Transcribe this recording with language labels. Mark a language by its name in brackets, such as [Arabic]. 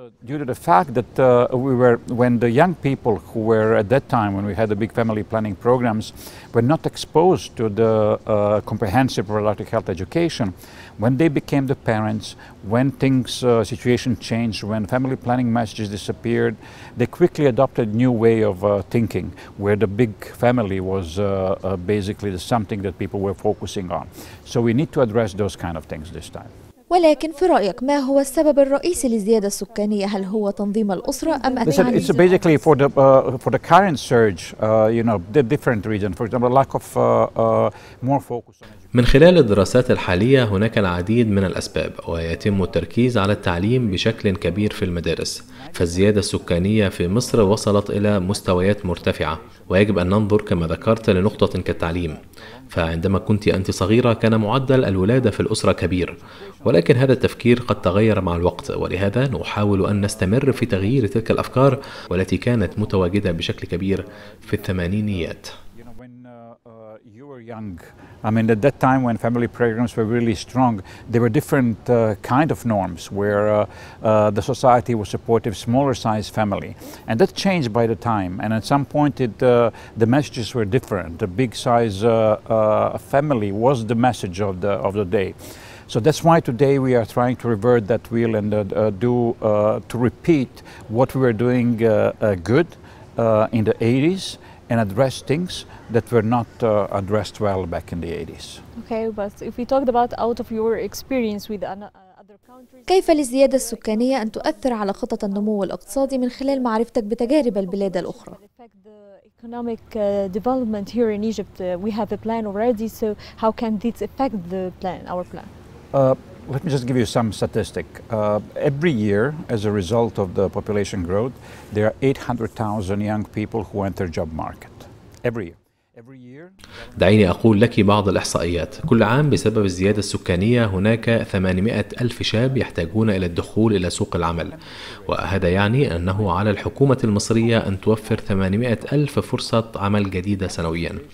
[English] Due to the fact that we were, when the young people who were at that time when we had the big family planning programs were not exposed to the comprehensive reproductive health education, when they became the parents, when things, situation changed, when family planning messages disappeared, they quickly adopted new way of thinking where the big family was basically the something that people were focusing on. So we need to address those kind of things this time. [Arabic] ولكن في رأيك ما هو السبب الرئيسي للزيادة السكانية؟ هل هو تنظيم الأسرة أم التعليم؟ [English] It's basically for the current surge, you know, the different region. For example, lack of more focus. [Arabic] من خلال الدراسات الحالية هناك العديد من الأسباب، ويتم التركيز على التعليم بشكل كبير في المدارس. فالزيادة السكانية في مصر وصلت إلى مستويات مرتفعة، ويجب أن ننظر كما ذكرت لنقطة كالتعليم. فعندما كنت أنت صغيرة كان معدل الولادة في الأسرة كبير، ولكن هذا التفكير قد تغير مع الوقت، ولهذا نحاول أن نستمر في تغيير تلك الأفكار والتي كانت متواجدة بشكل كبير في الثمانينيات. [English] Young. I mean, at that time when family programs were really strong, there were different kind of norms where the society was supportive smaller size family, and that changed by the time. And at some point, the messages were different. The big size family was the message of the day. So that's why today we are trying to revert that wheel and to repeat what we were doing good in the 80s. And address things that were not addressed well back in the 80s. Okay, but if we talked about out of your experience with other countries. [Arabic] كيف للزيادة السكانية أن تؤثر على خطط النمو الاقتصادي من خلال معرفتك بتجارب البلاد الأخرى؟ [English] Economic development here in Egypt, we have a plan already. So how can this affect the plan, our plan? Let me just give you some statistic. Every year, as a result of the population growth, there are 800,000 young people who enter job market. Every year. [Arabic] دعيني أقول لك بعض الإحصائيات. كل عام بسبب الزيادة السكانية هناك 800,000 شاب يحتاجون إلى الدخول إلى سوق العمل، وهذا يعني أنه على الحكومة المصرية أن توفر 800,000 فرصة عمل جديدة سنويا.